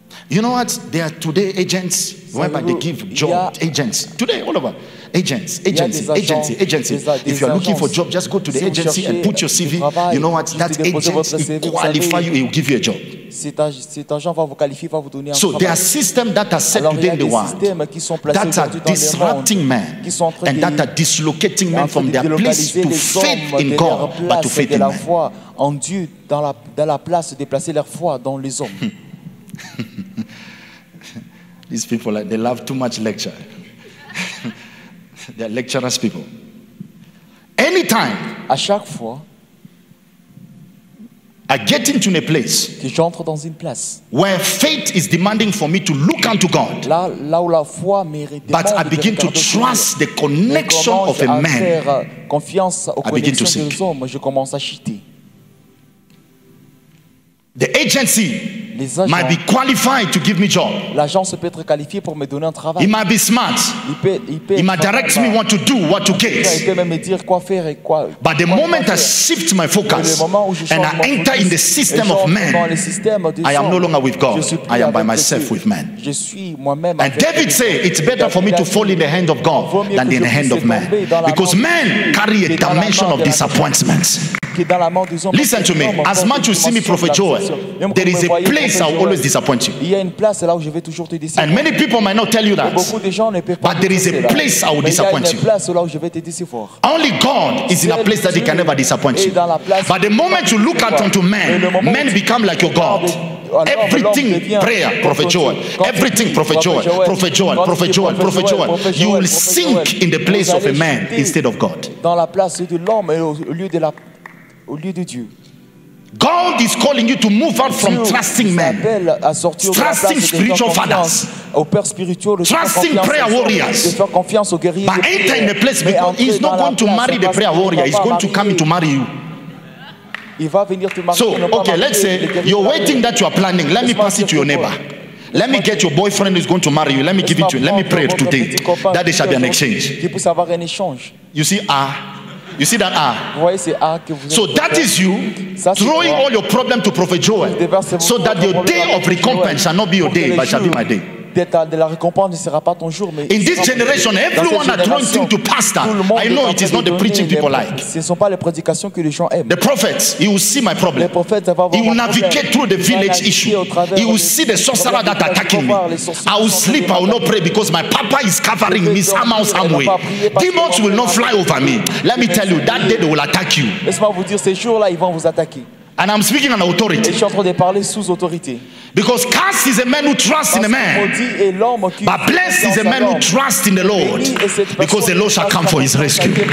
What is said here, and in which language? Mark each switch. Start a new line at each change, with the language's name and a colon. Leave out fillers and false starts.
English: You know what? There are today agents, whereby they give job agents. Today, all over. Agents, agency. If you are looking for a job, just go to the agency and put your CV. You know what? That agency will qualify you, it will give you a job.
French: Cet agent va vous qualifier, va vous donner un
English: so there are systems that are set
French: alors,
English: within the world that are disrupting men and that are dislocating men from their place to faith in God, but to faith in
French: la foi en Dieu, dans la place, déplacer leur foi dans les hommes.
English: These people, they love too much lecture. They are lecturers people. Anytime
French: à chaque fois,
English: I get into a place,
French: que j'entre dans une place
English: where faith is demanding for me to look unto God,
French: là où la foi mérite,
English: but I begin to trust the connection of a man,
French: confiance aux connexions de l'homme, je commence à chuter.
English: The agency might be qualified to give me job.
French: L'agence peut être qualifiée pour me donner un travail.
English: He might be smart. He might direct me what to do, what to get.
French: Il peut même me dire quoi faire et quoi.
English: But the moment I shift my focus and I enter in the system of man, I am no longer with God. I am by myself with man.
French: Je suis moi-même.
English: And David said, it's better for me to fall in the hand of God than in the hand of man. Because man carry a dimension of disappointments. Listen to me. As much you see me, Prophet Joel, there is a place I will always disappoint you. And many people might not tell you that. But there is a place I will disappoint you. Only God is in a place that He can never disappoint you. But the moment you look out unto man, man become like your God. Everything, prayer, Prophet Joel. Everything, Prophet Joel. Prophet Joel, Prophet Joel, Prophet Joel. You will sink in the place of a man instead of God.
French: Dans la place de l'homme et au lieu de Dieu.
English: God is calling you to move out from trusting men, trusting spiritual fathers, trusting prayer warriors. But enter in a place because he's not going to marry the prayer warrior. He's going to come in to marry you. So, okay, let's say your wedding that you are planning. Let me pass it to your neighbor. Let me get your boyfriend who's going to marry you. Let me give it to you. Let me pray it today. That there shall be an exchange. You see, So that is you throwing all your problem to Prophet Joel so that your day of recompense shall not be your day, but shall be my day.
French: De la récompense ne sera pas ton jour, mais
English: in this generation, everyone are throwing things to pastor. I know it is not the preaching people like.
French: Ce ne sont pas les prédications que les gens aiment.
English: The prophets, he will see my problem.
French: Les prophètes,
English: he will navigate through the village issue. He will see the sorcerer that attacking me. I will sleep. I will not pray because my papa is covering me somehow, some way. Demons will not fly over me. Let me tell you, that day they will attack you.
French: Laisse-moi vous dire, ces jours-là, ils vont vous attaquer.
English: And I'm speaking on authority.
French: Je suis en train de parler sous autorité.
English: Because cursed is a man who trusts in a man. But blessed is a man who trusts in the Lord. Because the Lord shall come for his rescue.